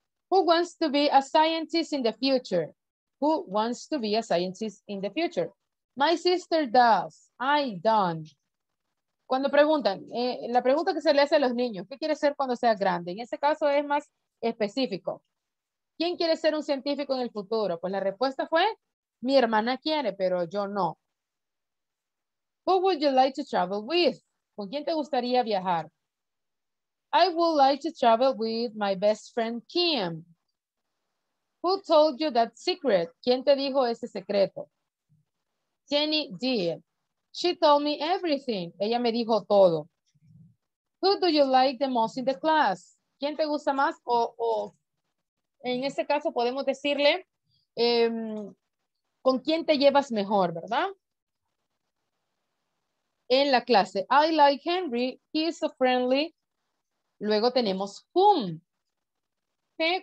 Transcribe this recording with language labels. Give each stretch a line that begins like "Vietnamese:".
English: Who wants to be a scientist in the future? Who wants to be a scientist in the future? My sister does. I don't.
Spanish: Cuando preguntan, la pregunta que se le hace a los niños, ¿qué quiere ser cuando sea grande? En ese caso es más específico. ¿Quién quiere ser un científico en el futuro? Pues la respuesta fue, mi hermana quiere, pero yo no.
English: Who would you like to travel with?
Spanish: ¿Con quién te gustaría viajar?
English: I would like to travel with my best friend Kim. Who told you that secret?
Spanish: ¿Quién te dijo ese secreto?
English: Jenny did. She told me everything.
Spanish: Ella me dijo todo.
English: Who do you like the most in the class?
Spanish: ¿Quién te gusta más? En ese caso podemos decirle, ¿con quién te llevas mejor, verdad? En la clase,
English: I like Henry, he's so friendly.
Spanish: Luego tenemos whom. ¿Qué?